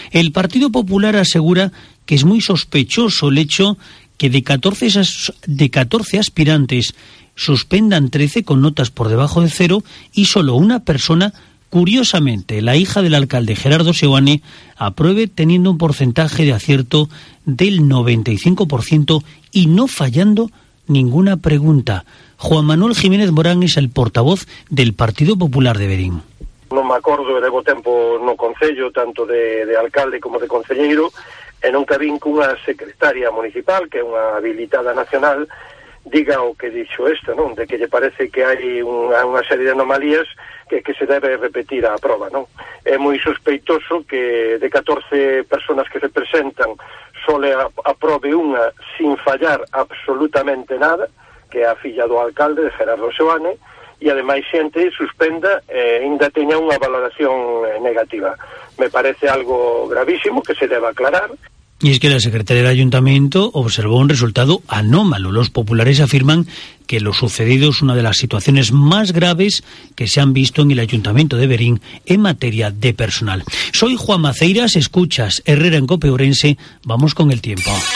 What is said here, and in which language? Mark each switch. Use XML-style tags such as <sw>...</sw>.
<es>El Partido Popular asegura que es muy sospechoso el hecho que de 14 aspirantes suspendan 13 con notas por debajo de cero y solo una persona, curiosamente, la hija del alcalde Gerardo Seoane, apruebe teniendo un porcentaje de acierto del 95% y no fallando ninguna pregunta. Juan Manuel Jiménez Morán es el portavoz del Partido Popular de Verín.</es> <gl>Non me acordo, e levo tempo no concello, tanto de alcalde como de concelleiro, e nunca vin cunha secretaria municipal, que é unha habilitada nacional, diga o que dixo esta, non? De que lle parece que hai unha serie de anomalías que se debe repetir a prova, non? É moi sospeitoso que de 14 personas que se presentan sole aprobe unha sin fallar absolutamente nada, que é a filla do alcalde, de Gerardo Seoane, e ademais xente suspenda e ainda teña unha valoración negativa. Me parece algo gravísimo que se debe aclarar.</gl> <es>Y es que la secretaria del ayuntamiento observó un resultado anómalo. Los populares afirman que lo sucedido es una de las situaciones más graves que se han visto en el ayuntamiento de Verín en materia de personal. Soy Juan Maceiras, escuchas Herrera en Cope Ourense. Vamos con el tiempo.</es>